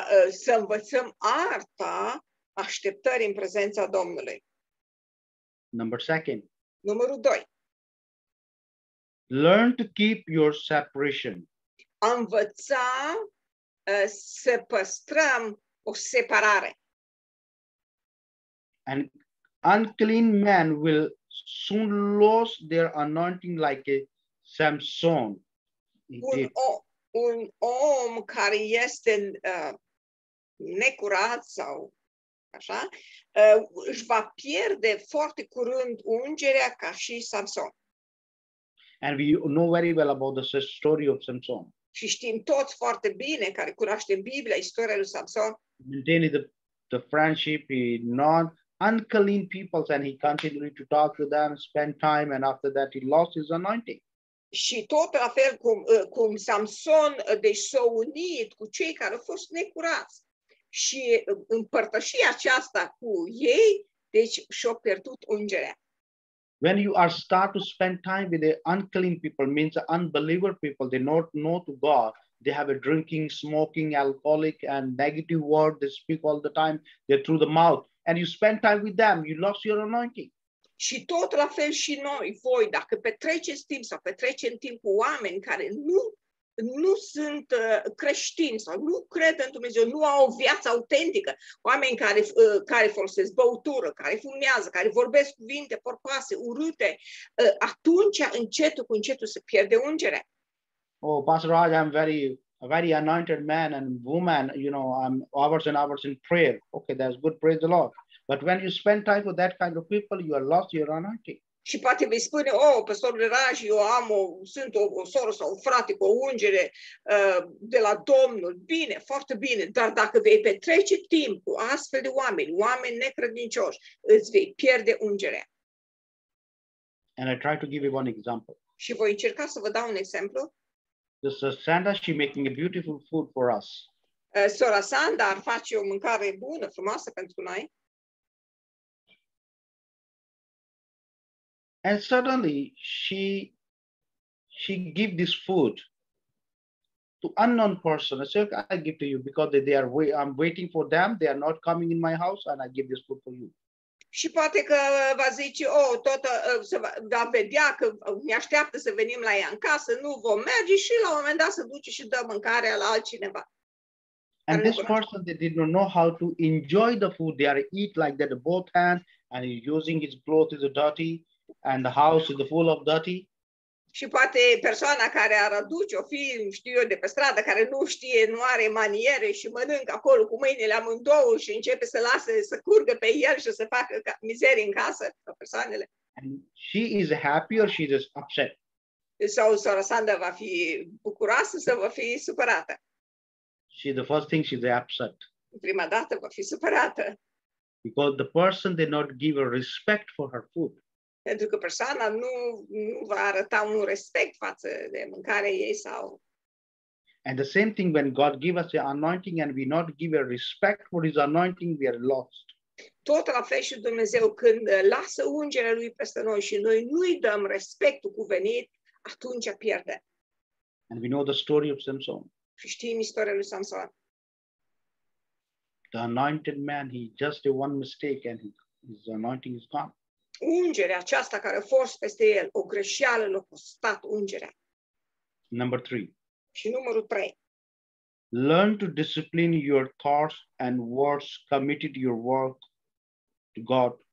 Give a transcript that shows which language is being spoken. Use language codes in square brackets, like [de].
[ro] Să învățăm arta așteptării în prezența Domnului. [en] Number second. [ro] Numărul doi. [en] Learn to keep your separation. [ro] Învăța să păstrăm o separare. [en] An unclean man will soon lose their anointing like a Samson. [ro] Un om care este necurat sau așa, își va pierde foarte curând ungerea ca și Samson. [en] And we know very well about the story of Samson. [ro] Și știm toți foarte bine, care cunoaștem Biblia, istoria lui Samson. [en] Maintaining the friendship with non-unclean peoples and he continued to talk to them, spend time and after that he lost his anointing. [ro] Și tot la fel cum Samson s-a unit cu cei care au fost necurați și împărtășia aceasta cu ei, deci și-a pierdut ungerea. [en] When you are start to spend time with the unclean people, means unbeliever people, they not know to God, they have a drinking, smoking, alcoholic and negative word, they speak all the time, they're through the mouth, and you spend time with them, you lost your anointing. [ro] Și tot la fel și noi, voi, dacă petreceți timp sau petrecem timp cu oameni care nu sunt creștini sau nu cred în Dumnezeu, nu au o viață autentică, oameni care folosesc băutură, care fumează, care vorbesc cuvinte porcoase, urâte, atunci încetul cu încetul se pierde ungerea. [en] Oh, Pastor Raj, I'm very, a very anointed man and woman, you know, I'm hours and hours in prayer. Okay, that's good, praise the Lord. But when you spend time with that kind of people, you are lost, you are anointing. [ro] Și poate vei spune, oh, Pastor Raj, eu am sunt o soră sau un frate cu o ungere de la Domnul. Bine, foarte bine, dar dacă vei petrece timp cu astfel de oameni necredincioși, îți vei pierde ungerea. [en] And I try to give you one example. [ro] Și voi încerca să vă dau un exemplu. [en] This is Sandra, she's making a beautiful food for us. [ro] Sora Sandra ar face o mâncare bună, frumoasă pentru noi. [en] And suddenly she give this food to unknown person. I said, I give to you because they are I'm waiting for them. They are not coming in my house and I give this food for you. [ro] Și poate că va zice, oh, tot să va vedea că ne așteaptă să venim la ea în casă, nu vom merge și la un moment dat se duce și dă mâncarea la altcineva. [en] And this person, they did not know how to enjoy the food. They are eat like that, both hands, and he's using his clothes is dirty, and the house is full of dirty. [ro] Și poate persoana care ar aduce-o fi, știu eu, de pe stradă, care nu știe, nu are maniere și mănâncă acolo cu mâinile amândouă și începe să lase, să curgă pe el și să facă mizerie în casă, pe persoanele. [en] And she is happy or she is upset? [ro] Sau sora Sandra va fi bucuroasă sau va fi supărată? [en] She, the first thing, she is upset. [ro] Prima dată va fi supărată. [en] Because the person did not give her respect for her food. [ro] Pentru că persoana nu va arăta un respect față de mâncarea ei sau. [en] And the same thing when God give us the anointing and we not give a respect for his anointing, we are lost. [ro] Tot la fel și Dumnezeu, când lasă ungerea lui peste noi și noi nu-i dăm respectul cuvenit, atunci pierde. [en] And we know the story of Samson. [ro] Și știm istoria lui Samson. [en] The anointed man, he just did one mistake and his anointing is gone. [ro] Ungerea aceasta care a fost peste el, o greșeală l-a costat ungerea. [en] Number 3. [ro] Și numărul 3. [en] Learn to discipline your thoughts and words, committed your work to God.